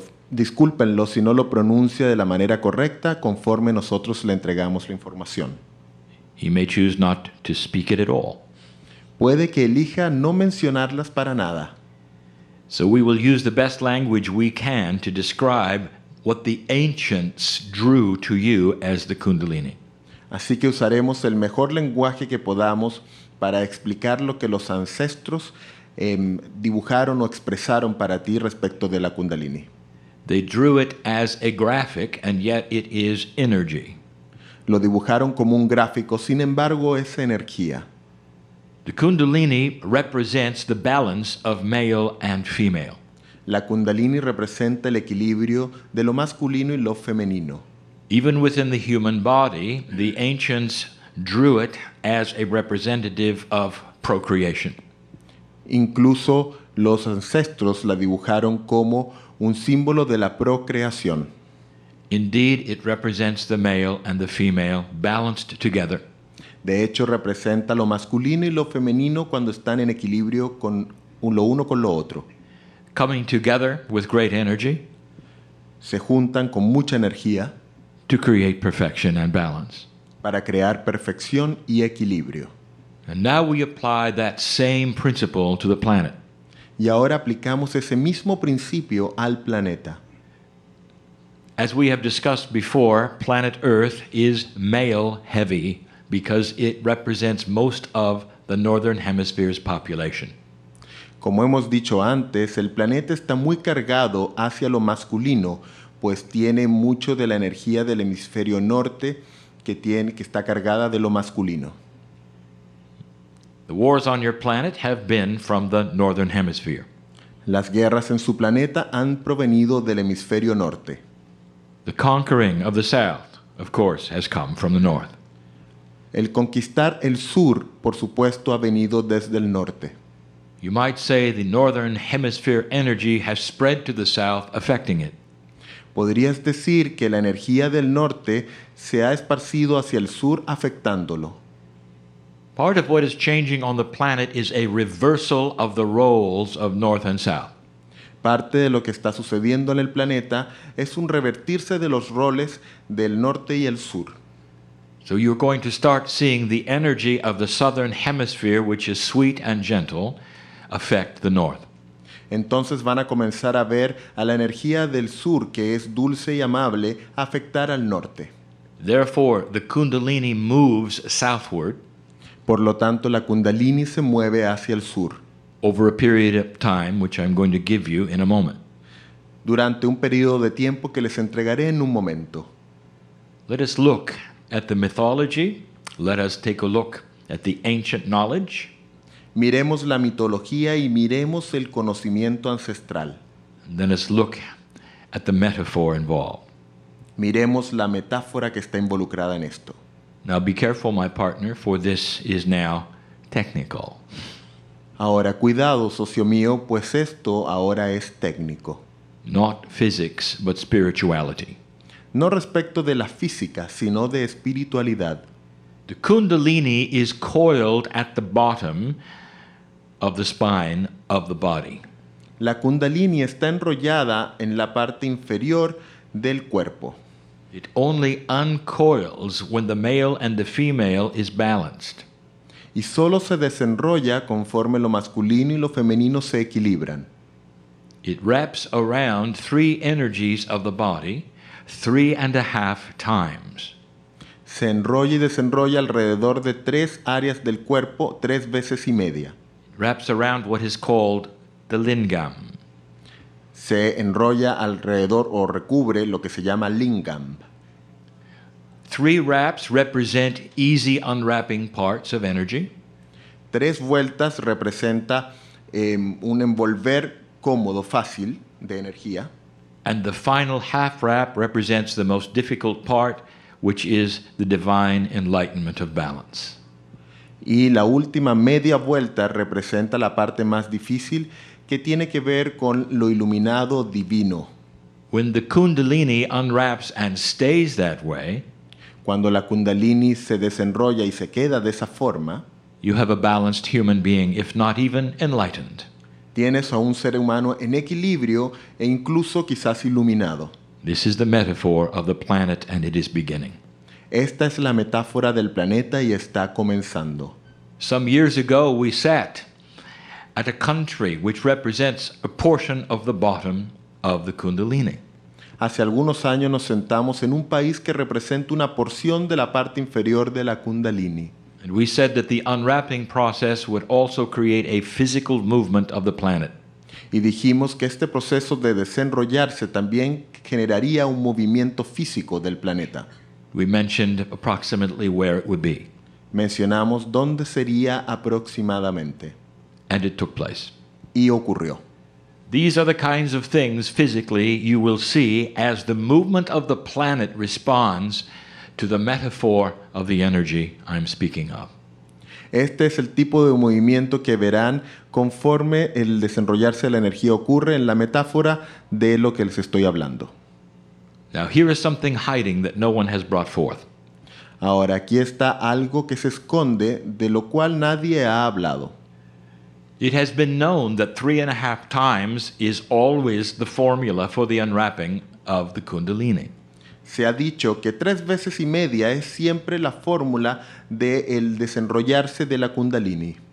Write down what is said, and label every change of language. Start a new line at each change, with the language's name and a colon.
Spanish: Discúlpenlo si no lo pronuncia de la manera correcta conforme nosotros le entregamos la información.
English: He may choose not to speak it at all.
Spanish: Puede que elija no mencionarlas para nada.
English: So we will use the best language we can to describe what the ancients drew to you as the Kundalini.
Spanish: Así que usaremos el mejor lenguaje que podamos para explicar lo que los ancestros dibujaron o expresaron para ti respecto de la Kundalini.
English: They drew it as a graphic, and yet it is energy.
Spanish: Lo dibujaron como un gráfico, sin embargo, es energía.
English: The Kundalini represents the balance of male and female.
Spanish: La Kundalini representa el equilibrio de lo masculino y lo femenino.
English: Even within the human body, the ancients drew it as a representative of procreation.
Spanish: Incluso los ancestros la dibujaron como un símbolo de la procreación.
English: Indeed, it represents the male and the female balanced together.
Spanish: De hecho, representa lo masculino y lo femenino cuando están en equilibrio con lo uno con lo otro.
English: Coming together with great energy.
Spanish: Se juntan con mucha energía.
English: To create perfection and balance.
Spanish: Para crear perfección y equilibrio.
English: And now we apply that same principle to the planet.
Spanish: Y ahora aplicamos ese mismo principio al planeta.
English: As we have discussed before, planet Earth is male heavy because it represents most of the Northern Hemisphere's population.
Spanish: Como hemos dicho antes, el planeta está muy cargado hacia lo masculino, pues tiene mucho de la energía del hemisferio norte que está cargada de lo masculino.
English: The wars on your planet have been from the Northern Hemisphere.
Spanish: Las guerras en su planeta han provenido del hemisferio norte.
English: The conquering of the South, of course, has come from the North.
Spanish: El conquistar el sur, por supuesto, ha venido desde el norte.
English: You might say the Northern Hemisphere energy has spread to the South, affecting it.
Spanish: Podrías decir que la energía del norte se ha esparcido hacia el sur, afectándolo.
English: Part of what is changing on the planet is a reversal of the roles of North and South.
Spanish: Parte de lo que está sucediendo en el planeta es un revertirse de los roles del norte y el sur.
English: So you're going to start seeing the energy of the southern hemisphere, which is sweet and gentle, affect the north.
Spanish: Entonces van a comenzar a ver a la energía del sur, que es dulce y amable, afectar al norte.
English: Therefore, the Kundalini moves southward.
Spanish: Por lo tanto, la Kundalini se mueve hacia el sur.
English: Over a period of time, which I'm going to give you in a moment.
Spanish: Durante un periodo de tiempo que les entregaré en un momento.
English: Let us look at the mythology. Let us take a look at the ancient knowledge.
Spanish: Miremos la mitología y miremos el conocimiento ancestral.
English: And then let's look at the metaphor involved.
Spanish: Miremos la metáfora que está involucrada en esto.
English: Now be careful, my partner, for this is now technical.
Spanish: Ahora, cuidado, socio mío, pues esto ahora es técnico.
English: Not physics, but spirituality.
Spanish: No respecto de la física, sino de espiritualidad.
English: The Kundalini is coiled at the bottom of the spine of the body.
Spanish: La Kundalini está enrollada en la parte inferior del cuerpo.
English: It only uncoils when the male and the female is balanced.
Spanish: Y solo se desenrolla conforme lo masculino y lo femenino se equilibran.
English: It wraps around three energies of the body 3.5 times.
Spanish: Se enrolla y desenrolla alrededor de tres áreas del cuerpo 3.5 veces.
English: It wraps around what is called the lingam.
Spanish: Se enrolla alrededor o recubre lo que se llama lingam.
English: Three wraps represent easy unwrapping parts of energy.
Spanish: Tres vueltas representa un envolver cómodo, fácil, de energía.
English: And the final half wrap represents the most difficult part, which is the divine enlightenment of balance.
Spanish: Y la última media vuelta representa la parte más difícil, que tiene que ver con lo iluminado divino.
English: When the Kundalini unwraps and stays that way,
Spanish: cuando la Kundalini se desenrolla y se queda de esa forma,
English: you have a balanced human being, if not even enlightened.
Spanish: Tienes a un ser humano en equilibrio e incluso quizás iluminado.
English: This is the metaphor of the planet and it is beginning.
Spanish: Esta es la metáfora del planeta y está comenzando.
English: Some years ago we sat at a country which represents a portion of the bottom of the Kundalini.
Spanish: Hace algunos años nos sentamos en un país que representa una porción de la parte inferior de la Kundalini.
English: And we said that the unwrapping process would also create a physical movement of the planet.
Spanish: Y dijimos que este proceso de desenrollarse también generaría un movimiento físico del planeta.
English: We mentioned approximately where it would be.
Spanish: Mencionamos dónde sería aproximadamente.
English: And it took place.
Spanish: Y ocurrió.
English: These are the kinds of things physically you will see as the movement of the planet responds to the metaphor of the energy I'm speaking of.
Spanish: Este es el tipo de movimiento que verán conforme el desenrollarse de la energía ocurre en la metáfora de lo que les estoy hablando.
English: Now here is something hiding that no one has brought forth.
Spanish: Ahora aquí está algo que se esconde de lo cual nadie ha hablado.
English: It has been known that 3.5 times is always the formula for the unwrapping of the Kundalini.
Spanish: Se ha dicho que 3.5 es siempre la fórmula del desenrollarse de la Kundalini.